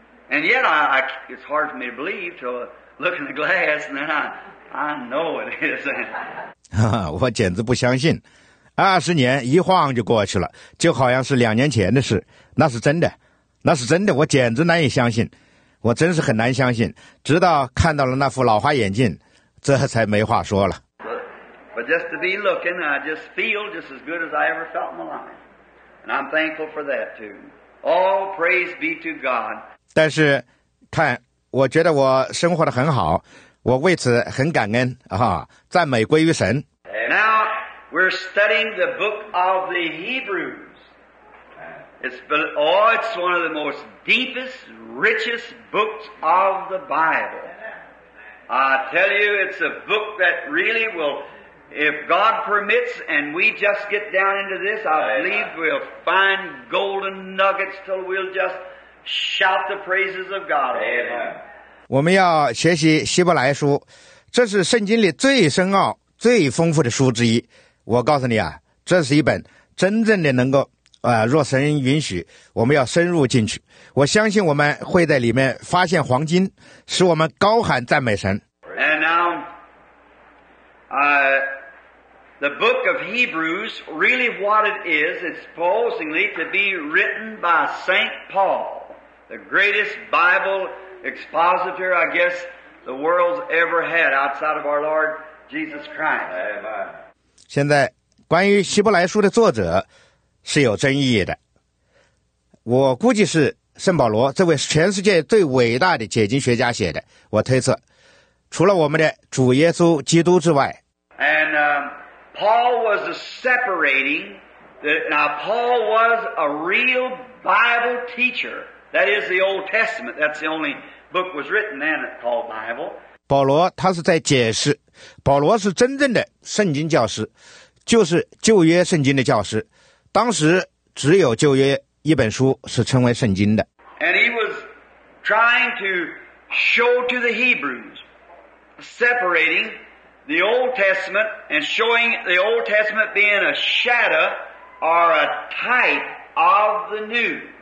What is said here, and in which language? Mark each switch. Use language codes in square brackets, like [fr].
[en] And yet I it's hard for me to believe till look in the glass and then I know it is. [zh] 我简直不相信。 20年一晃就过去了，就好像是2年前的事。那是真的，那是真的，我简直难以相信，我真是很难相信。直到看到了那副老花眼镜，这才没话说了。 [en] But just to be looking, I just feel just as good as I ever felt in my life, and I'm thankful for that too. All praise be to God. [zh] 但是，看，我觉得我生活得很好，我为此很感恩啊，赞美归于神。 [en] We're studying the book of the Hebrews. It's one of the most deepest, richest books of the Bible. I tell you, it's a book that really will, if God permits and we just get down into this, I believe we'll find golden nuggets till we'll just shout the praises of God. Amen. [zh] 我们要学习希伯来书，这是圣经里最深奥、最丰富的书之一。我告诉你啊，这是一本真正的能够若神允许，我们要深入进去。我相信我们会在里面发现黄金，使我们高喊赞美神。 [en] And now, the book of Hebrews, really what it is, it's supposedly to be written by St. Paul, the greatest Bible expositor, I guess, the world's ever had outside of our Lord Jesus Christ. Amen. [zh] 现在关于希伯来书的作者是有争议的，我估计是圣保罗，这位全世界最伟大的解经学家写的。我推测除了我们的主耶稣基督之外， [en] And Paul was a separating Now Paul was a real Bible teacher. That is the Old Testament. That's the only book was written then called Bible. [zh] 保罗他是在解释，保罗是真正的圣经教师，就是旧约圣经的教师。当时只有旧约一本书是称为圣经的。 [en] And he was trying to show to the Hebrews, separating the Old Testament and showing the Old Testament being a shadow or a type of the New.